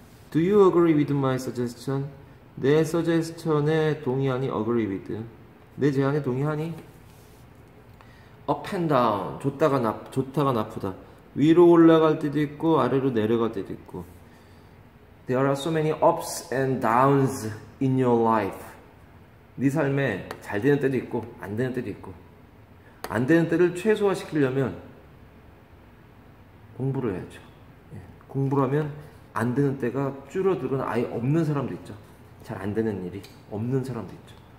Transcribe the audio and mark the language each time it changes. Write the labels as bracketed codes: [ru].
[en] Do you agree with my suggestion? [ko] 내 suggestion에 동의하니? [en] Agree with. [ko] 내 제안에 동의하니? [en] Up and down. [ko] 좋다가 나쁘다. 위로 올라갈 때도 있고, 아래로 내려갈 때도 있고. [en] There are so many ups and downs in your life. [ko] 네 삶에 잘 되는 때도 있고, 안 되는 때도 있고. 안 되는 때를 최소화시키려면 공부를 해야죠. 공부라면 안 되는 때가 줄어들거나 아예 없는 사람도 있죠. 잘안 되는 일이 없는 사람도 있죠.